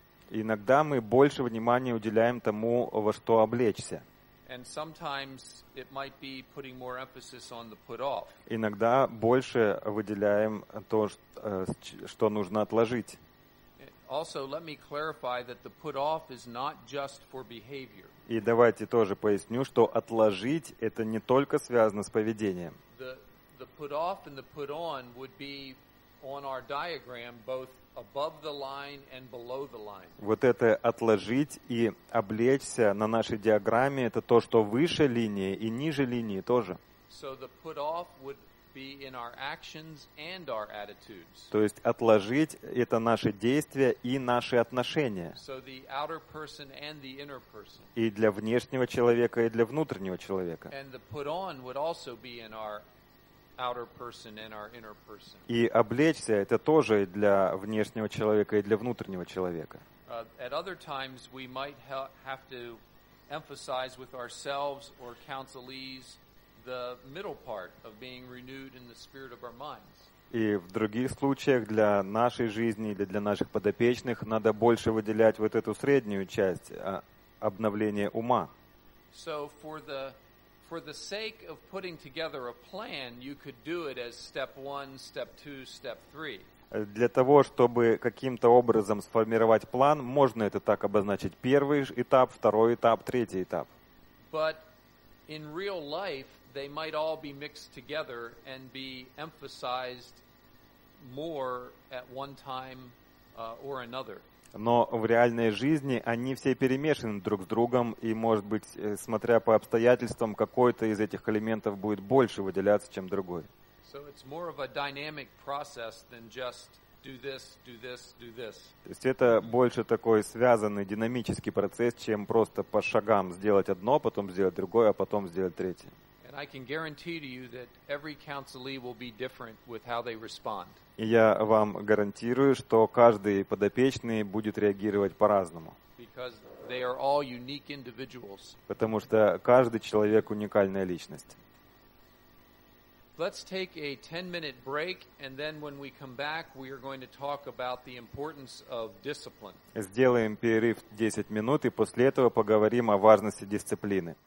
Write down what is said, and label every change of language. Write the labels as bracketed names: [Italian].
[Russian] Иногда мы больше внимания уделяем тому, во что облечься. [English] And sometimes it might be putting more emphasis on the put off. [Russian] Иногда больше выделяем то, что нужно отложить. [English] Also, let me clarify that the put off is not just for behavior. [Russian] И давайте тоже поясню, что отложить это не только связано с поведением. [English] The put off and the put on would be on our diagram both above the line and below the line. [Russian] Вот это отложить и облечься на нашей диаграмме — это то, что выше линии и ниже линии тоже. [English] So the put off would be in our actions and our attitudes. [Russian] То есть отложить — это наши действия и наши отношения. [English] So the outer person and the inner person. [Russian] И для внешнего человека и для внутреннего человека. [English] And the put on would also be in our outer person and our inner person. [Russian] И облечься — это тоже для внешнего человека и для внутреннего человека. [English] At other times, we might have to emphasize with ourselves or counselees the middle part of being renewed in the spirit of our minds. [Russian] И в других случаях для нашей жизни или для наших подопечных надо больше выделять вот эту среднюю часть обновления ума. [English] So for the sake of putting together a plan, you could do it as step one, step two, step three. [Russian] Для того, чтобы каким-то образом сформировать план, можно это так обозначить: первый этап, второй этап, третий этап. [English] But in real life, they might all be mixed together and be emphasized more at one time or another. [Russian] Но в реальной жизни они все перемешаны друг с другом, и, может быть, смотря по обстоятельствам, какой-то из этих элементов будет больше выделяться, чем другой. [English] So it's more of a dynamic process than just do this, do this, do this. [Russian] То есть это больше такой связанный динамический процесс, чем просто по шагам сделать одно, потом сделать другое, а потом сделать третье. [English] And I can guarantee to you that every counselee will be different with how they respond. [Russian] И я вам гарантирую, что каждый подопечный будет реагировать по-разному. [English] Because they are all unique individuals. [Russian] Потому что каждый человек уникальная личность. [English] Let's take a 10-minute break, and then when we come back, we are going to talk about the importance of discipline. [Russian] Сделаем перерыв 10 минут, и после этого поговорим о важности дисциплины.